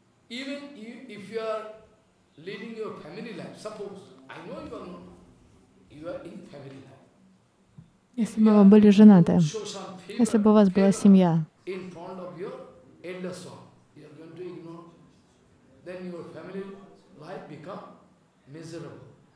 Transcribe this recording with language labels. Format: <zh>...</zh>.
<en>Even if you are leading your family life, suppose, I know you are not, you are in family life.</en> <ru>Если бы вы были женаты, если бы у вас была семья,</ru> <en>in front of your elder son, you are going to ignore, then your family life become miserable.</en>